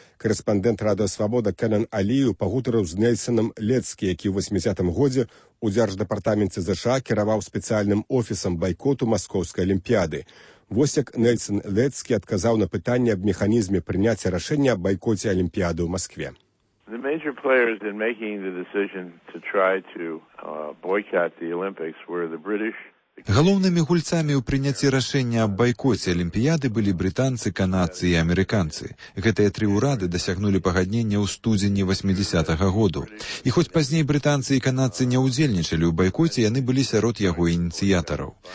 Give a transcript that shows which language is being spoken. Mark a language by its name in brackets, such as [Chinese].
[Belarusian] Карэспандэнт Радыё Свабода Кэнан Алію пагутарыў з Нельсонам Лецкі, які ў 80-м годзе ў дзярждэпартаменце ЗША кіраваў спецыяльным офісам байкоту маскоўскай алімпіяды. Вось як Нельсон Лецкі адказаў на пытанне аб механізме прыняцця рашэння аб байкоце алімпіяды ў Маскве. [English] The major players in making the decision to try to boycott the Olympics were the British. [Belarusian] Галоўнымі гульцамі ў прыняцці рашэння аб байкоце алімпіяды былі брытанцы, канадцы і амерыканцы. Гэтыя тры ўрады дасягнулі пагаднення ў студзені 80-го году. І хоць пазней брытанцы і канадцы не ўдзельнічалі ў байкоце, яны былі сярод яго ініцыятараў.